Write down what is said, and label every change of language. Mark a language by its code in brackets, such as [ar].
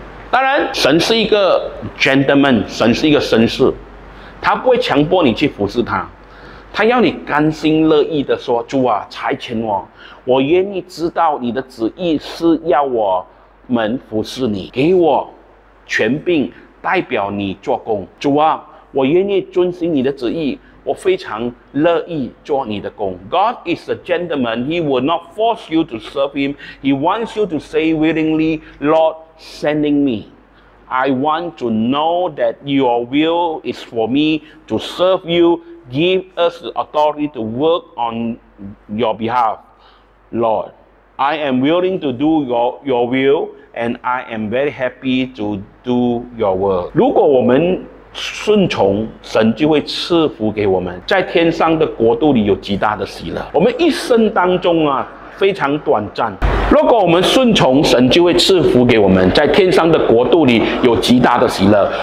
[zh] 当然神是一个 gentleman， 神是一个绅士，他不会强迫你去服侍他，他要你甘心乐意的说，主啊，差遣我，我愿意知道你的旨意是要我们服侍你，给我权柄代表你做工。主啊，我愿意遵循你的旨意，我非常乐意做你的工。 [en] God is a gentleman. He will not force you to serve him. He wants you to say willingly, Lord, sending me. I want to know that your will is for me to serve you. Give us the authority to work on your behalf. Lord, I am willing to do your will, and I am very happy to do your work. [zh] 如果我们顺从，神就会赐福给我们，在天上的国度里有极大的喜乐。我们一生当中啊，非常短暂。如果我们顺从，神就会赐福给我们，在天上的国度里有极大的喜乐。